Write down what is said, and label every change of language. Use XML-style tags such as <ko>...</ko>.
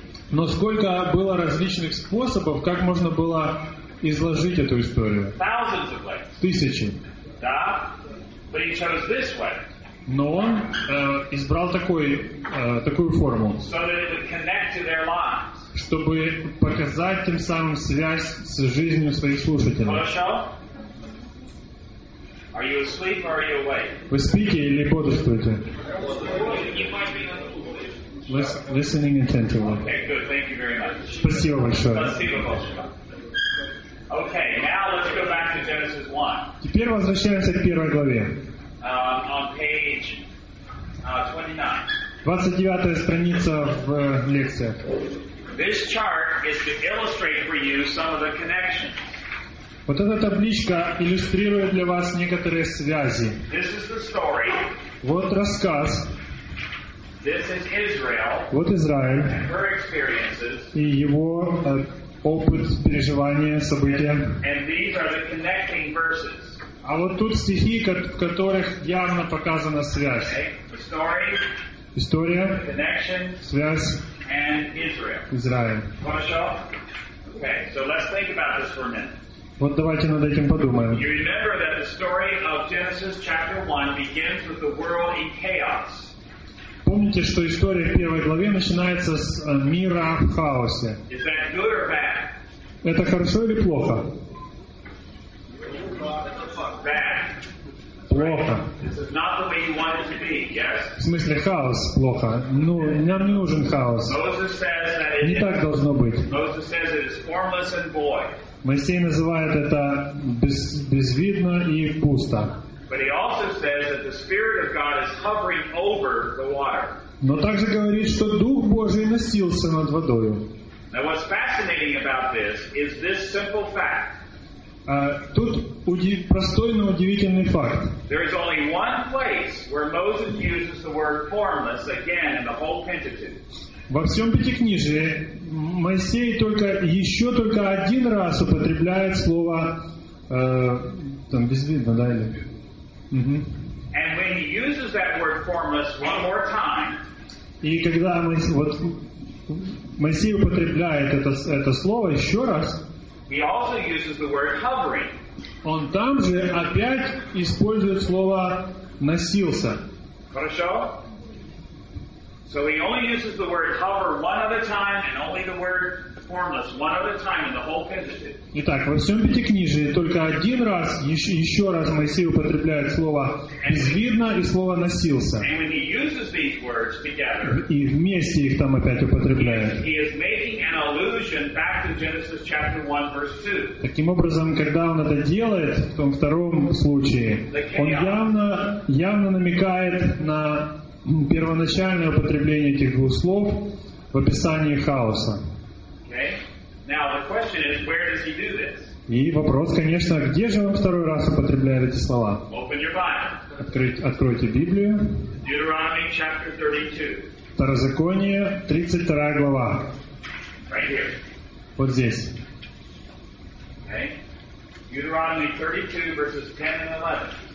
<ru>Но сколько было различных способов, как можно было изложить эту историю. Тысячи. Да.</ru> <en>But he chose this way.</en> <ru>Но он избрал такой, такую форму,</ru> <en>so that it would connect to their lives.</en> <ru>Чтобы показать тем самым связь с жизнью своих слушателей.</ru> <en>Are you asleep or are you awake?</en> <ru>Вы спите или бодрствуете?</ru> <en>Listening intentionally. Okay, good. Thank you very much.</en> <ru>Спасибо большое.</ru> <en>Okay, now let's go back to Genesis 1.</en> <ru>Теперь возвращаемся к первой главе.</ru> <en>On page 29.</en> <ru>29-я страница в лекции.</ru> <en>This chart is to illustrate for you some of the connections.</en> <ru>Вот эта табличка иллюстрирует для вас некоторые связи.</ru> <en>This is the story.</en> <ru>Вот рассказ.</ru> <en>This is Israel.</en> <ru>Вот Израиль.</ru> <en>And her experiences.</en> <ru>И его опыт, переживания, события.</ru> <en>And these are the connecting verses.</en> <ru>А вот тут стихи, в которых явно показана связь.</ru> <en>Okay. The story.</en> <ru>История.</ru> <en>Connection.</en> <ru>Связь.</ru> <en>And Israel.</en> <ru>Израиль.</ru> <en>Want to show? Okay, so let's think about this for a minute.</en> <ru>Вот давайте над этим подумаем.</ru> <en>You remember that the story of Genesis chapter 1 begins with the world in chaos.</en> <ru>Помните, что история в первой главе начинается с мира в хаосе.</ru> <en>Is that good or bad?</en> <ru>Это хорошо или плохо?</ru> <en>Bad.</en> <ru>Плохо.</ru> <en>This is not the way you want it to be, yes?</en> <ru>В смысле, хаос плохо. Ну, нам не нужен хаос.</ru> <en>Moses says that</en> <ru>не так должно быть.</ru> <en>Moses says it is formless and void.</en> <ru>Моисей называет это безвидно и пусто.</ru> <en>But he also says that the Spirit of God is hovering over the water.</en> <ru>Но также говорит, что Дух Божий носился над водою.</ru> <en>Now what's fascinating about this is this simple fact.</en> <ru>Тут простой, но удивительный факт.</ru> <en>There is only one place where Moses uses the word formless again in the whole Pentateuch.</en> <ru>Во всем Пятикнижии Моисей только еще только один раз употребляет слово там безвидно, да, или?</ru> <en>And when he uses that word formless one more time,</en> <ru>и когда Моисей употребляет это слово еще раз,</ru> <en>he also uses the word hovering.</en> <ru>Он там же опять использует слово носился. Хорошо?</ru> <en>So he only uses the word hover one other time and only the word formless one other time in the whole Pentateuch.</en> <ru>Итак, во всем Пятикнижии только один раз, еще раз Моисей употребляет слово «безвидно» и слово «носился».</ru> <en>And when he uses these words together,</en> <ru>и вместе их там опять употребляет.</ru> <en>He is making an allusion back to Genesis chapter 1, verse 2.</en> <ru>Таким образом, когда он это делает, в том втором случае, он явно намекает на первоначальное употребление этих двух слов в описании хаоса.</ru> <en>Okay. Now, the question is, where does he do this?</en> <ru>И вопрос, конечно, где же он второй раз употребляет эти слова?</ru> <en>Open your Bible.</en> <ru>Откройте Библию.</ru> <en>Deuteronomy chapter 32.</en> <ru>Второзаконие, 32 глава.</ru> <en>Right here.</en> <ru>Вот здесь.</ru> <en>Okay. Deuteronomy 32, verses 10 and 11.</en>